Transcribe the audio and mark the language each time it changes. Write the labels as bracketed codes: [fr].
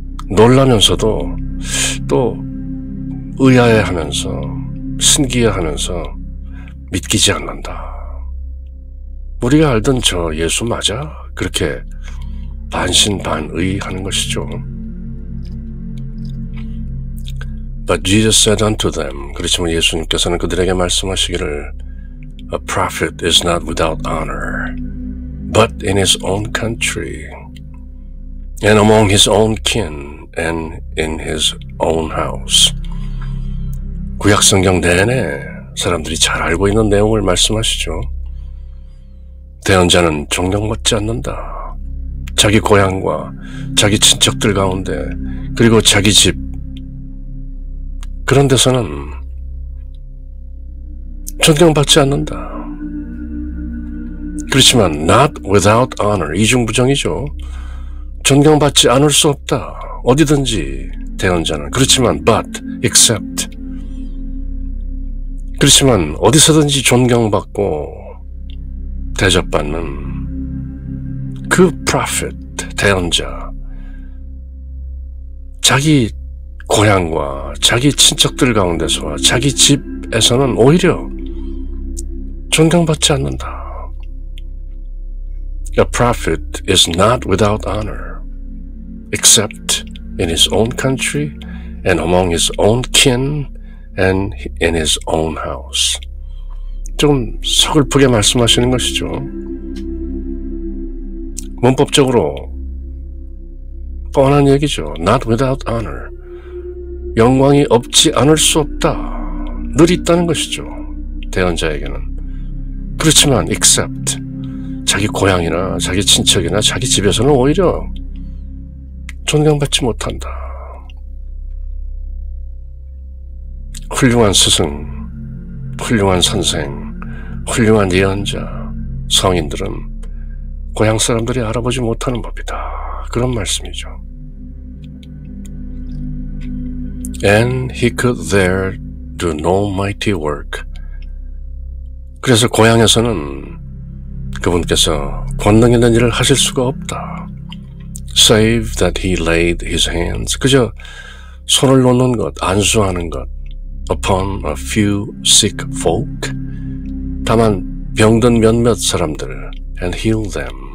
[ko] 놀라면서도 또 의아해하면서 신기해하면서 믿기지 않는다. 우리가 알던 저 예수 맞아? 그렇게 반신반의하는 것이죠. [en] But Jesus said unto them, [ko] 그렇지만 예수님께서는 그들에게 말씀하시기를, [en] A prophet is not without honor, but in his own country, and among his own kin, and in his own house. [ko] 구약 성경 내내 사람들이 잘 알고 있는 내용을 말씀하시죠. 대언자는 존경받지 않는다. 자기 고향과 자기 친척들 가운데 그리고 자기 집 그런 데서는 존경받지 않는다. 그렇지만 [en] not without honor, [ko] 이중부정이죠. 존경받지 않을 수 없다. 어디든지 대언자는 그렇지만 [en] but, except [ko] 그렇지만 어디서든지 존경받고 대접받는 그 prophet, 대언자 자기 고향과 자기 친척들 가운데서와 자기 집에서는 오히려 존경받지 않는다. [en] A prophet is not without honor except in his own country and among his own kin and in his own house. [ko] 좀 서글프게 말씀하시는 것이죠. 문법적으로 뻔한 얘기죠. [en] Not without honor. [ko] 영광이 없지 않을 수 없다. 늘 있다는 것이죠. 대언자에게는. 그렇지만 except 자기 고향이나 자기 친척이나 자기 집에서는 오히려 존경받지 못한다. 훌륭한 스승, 훌륭한 선생, 훌륭한 예언자, 성인들은 고향 사람들이 알아보지 못하는 법이다. 그런 말씀이죠. [en] And he could there do no mighty work. [ko] 그래서 고향에서는 그분께서 권능 있는 일을 하실 수가 없다. [en] Save that he laid his hands. [ko] 그저 손을 놓는 것, 안수하는 것. [en] Upon a few sick folk. [ko] 다만 병든 몇몇 사람들 [en] and heal them.